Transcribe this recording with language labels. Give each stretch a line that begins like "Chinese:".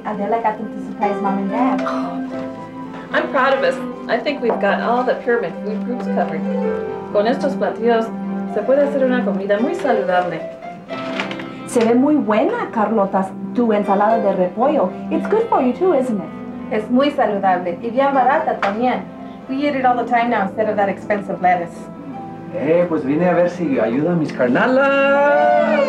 English: Adela got them to surprise Mom and Dad. I'm proud of us. I think we've got all the pyramid food groups covered.
Spanish: Con estos platillos, se puede hacer una comida muy saludable. Se ve muy buena, Carlota, tu ensalada de repollo.
English: It's good for you too, isn't it?
Spanish: Es muy saludable y bien barata también.
English: We eat it all the time now instead of that expensive lettuce.
Spanish: Pues vine a ver si ayuda a mis carnalas.